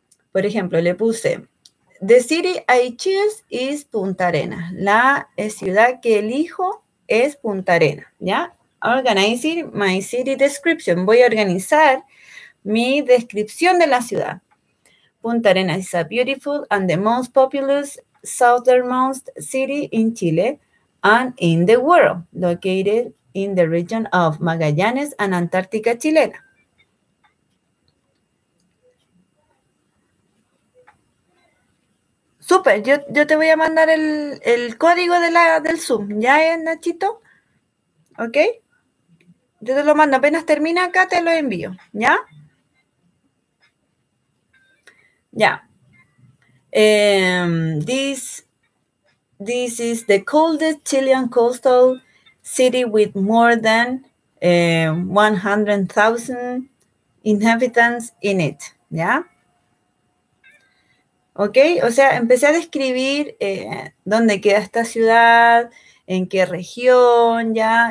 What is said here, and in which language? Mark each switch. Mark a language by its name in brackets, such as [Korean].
[Spanish] Por ejemplo, le puse, [English] The city I choose is Punta Arena. [Spanish] La ciudad que elijo es Punta Arena, ¿ya? [English] Organizing my city description. [Spanish] Voy a organizar mi descripción de la ciudad. [English] Punta Arenas is a beautiful and the most populous southernmost city in Chile and in the world, located in the region of Magallanes and Antártica chilena. [Spanish] Súper, yo te voy a mandar el código de del Zoom. ¿Ya es, Nachito? ¿Ok? Yo te lo mando, apenas termina acá, te lo envío, ¿ya? Ya. [English] This is the coldest Chilean coastal city with more than 100,000 inhabitants in it, ¿ya? [Spanish] Ok, o sea, empecé a describir dónde queda esta ciudad, en qué región, ¿ya?